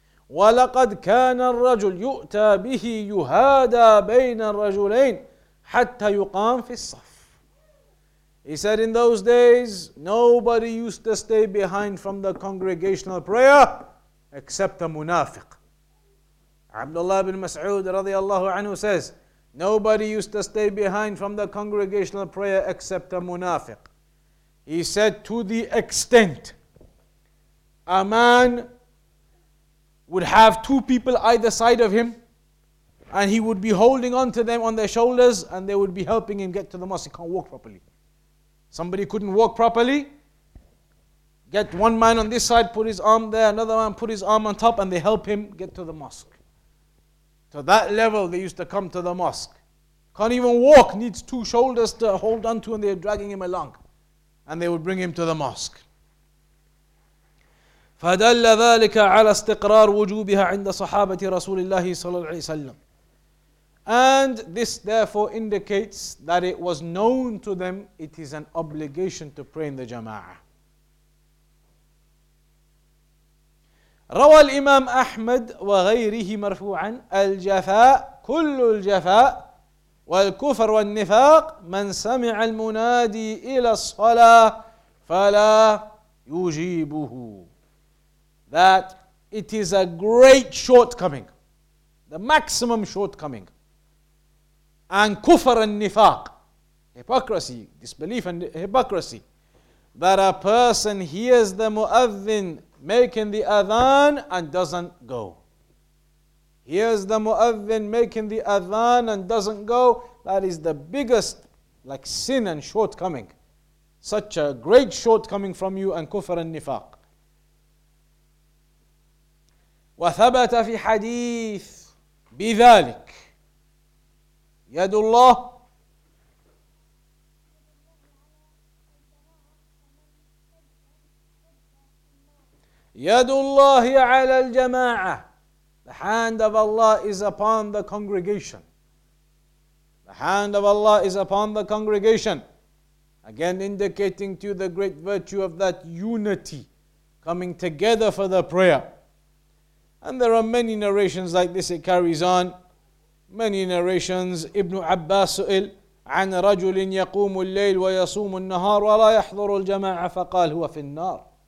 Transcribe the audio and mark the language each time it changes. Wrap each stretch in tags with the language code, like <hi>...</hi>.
<ar>ولقد كان الرجل يؤتى به يهادى بين الرجلين حتى يقام في الصف.</ar> <en>He said, in those days, nobody used to stay behind from the congregational prayer except a munafiq. Abdullah bin Mas'ud radiallahu anhu says, nobody used to stay behind from the congregational prayer except a munafiq. He said, to the extent a man would have two people either side of him, and he would be holding on to them on their shoulders, and they would be helping him get to the mosque. He can't walk properly. Somebody couldn't walk properly. Get one man on this side, put his arm there, another man put his arm on top, and they help him get to the mosque. To that level, they used to come to the mosque. Can't even walk, needs two shoulders to hold on to, and they're dragging him along. And they would bring him to the mosque.</en> <ar>فدل ذلك على استقرار وجوبها عند صحابة رسول الله صلى الله عليه وسلم.</ar> <en>And this therefore indicates that it was known to them, it is an obligation to pray in the jama'ah.</en> <ar>روى الإمام أحمد وغيره مرفوعا الجفاء كل الجفاء والكفر والنفاق من سمع المنادي إلى الصلاة فلا يجيبه.</ar> <en>That it is a great shortcoming, the maximum shortcoming. And kufr and nifaq, hypocrisy, disbelief and hypocrisy. That a person hears the muadhin making the adhan and doesn't go. Hears the muadhin making the adhan and doesn't go. That is the biggest like sin and shortcoming. Such a great shortcoming from you and kufr and nifaq.</en> <ar>وثبت في حديث بذلك يد الله يد الله على الجماعة.</ar> <en>The hand of Allah is upon the congregation. The hand of Allah is upon the congregation. Again indicating to you the great virtue of that unity, coming together for the prayer. And there are many narrations like this, it carries on. Many narrations.</en> <ar>Ibn Abbas su'il, عن رجل يقوم الليل ويصوم النهار ولا يحضر الجماعة فقال هو في النار.</ar>